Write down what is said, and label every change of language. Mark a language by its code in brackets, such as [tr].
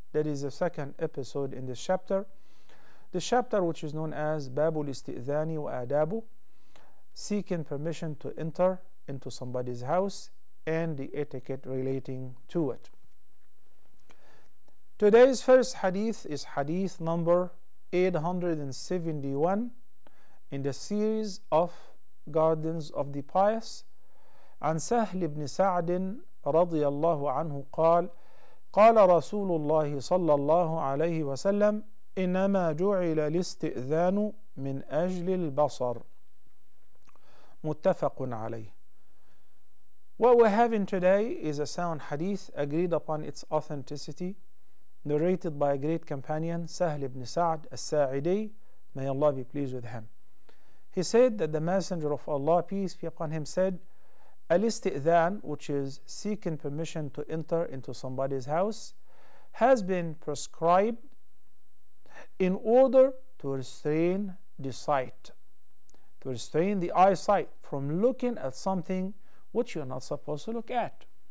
[en] That is the second episode in this chapter. The chapter which is known as Babul Isti'dhani wa Adabu, seeking permission to enter into somebody's house and the etiquette relating to it. Today's first hadith is hadith number 871 in the series of Gardens of the Pious. [ar] عن سهل بن سعد رضي الله عنه قال قال رسول الله صلى الله عليه وسلم إنما جعل الاستئذان من أجل البصر متفق عليه. [en] What we're having today is a sound hadith agreed upon its authenticity, narrated by a great companion, Sahl ibn Sa'd al-Sa'idi, may Allah be pleased with him. He said that the Messenger of Allah, peace be upon him, said, Al-Isti'dhan, which is seeking permission to enter into somebody's house, has been prescribed in order to restrain the sight, to restrain the eyesight from looking at something which you're not supposed to look at.